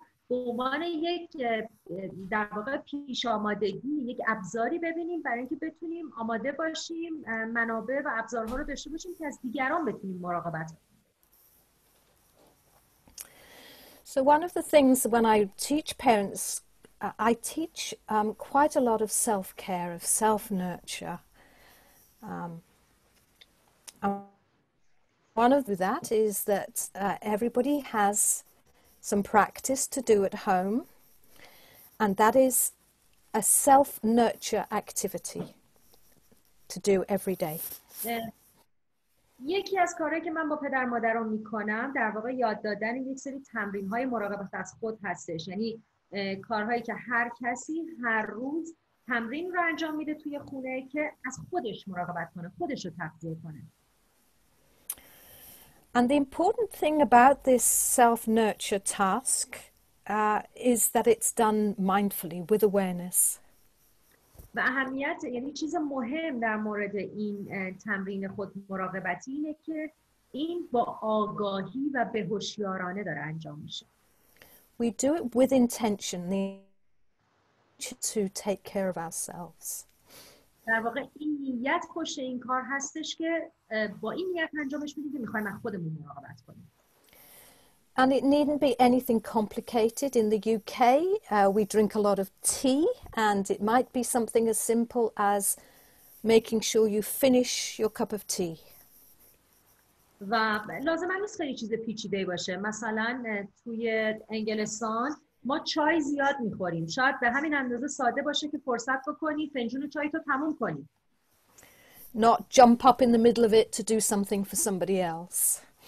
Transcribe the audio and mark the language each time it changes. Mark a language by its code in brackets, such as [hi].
[fa] به عنوان یک در واقع پیش آمادگی، یک ابزاری ببینیم برای اینکه بتونیم آماده باشیم، منابع و ابزارها رو داشته باشیم که از دیگران بتونیم مراقبت کنیم. [en] So one of the things when I teach parents, I teach quite a lot of self-care, of self-nurture. One of that is that everybody has some practice to do at home, and that is a self-nurture activity to do every day. Yeah. [fa] یکی از کارهایی که من با پدر مادرام میکنم در واقع یاد دادن یک سری تمرین های مراقبت از خود هستش، یعنی کارهایی که هر کسی هر روز تمرین رو انجام میده توی خونه که از خودش مراقبت کنه، خودش رو تغذیه کنه. [en] And the important thing about this self-nurture task is that it's done mindfully with awareness. [fa] و اهمیت، یعنی چیز مهم در مورد این تمرین خود مراقبتی اینه که این با آگاهی و به هوشیارانه داره انجام میشه. [en] We do it with intention to take care of ourselves. [fa] در واقع این نیت پشت این کار هستش که با این نیت انجامش میدیم که میخوایم از خودمون مراقبت کنیم. [en] And it needn't be anything complicated. In the UK, we drink a lot of tea, and it might be something as simple as making sure you finish your cup of tea. [fa] و لازم نیست خیلی چیز پیچیده‌ای باشه. مثلا توی انگلستان ما چای زیاد می‌خوریم. شاید به همین اندازه ساده باشه که فرصت بکنی فنجون چای تو تموم کنی. [en] Not jump up in the middle of it to do something for somebody else.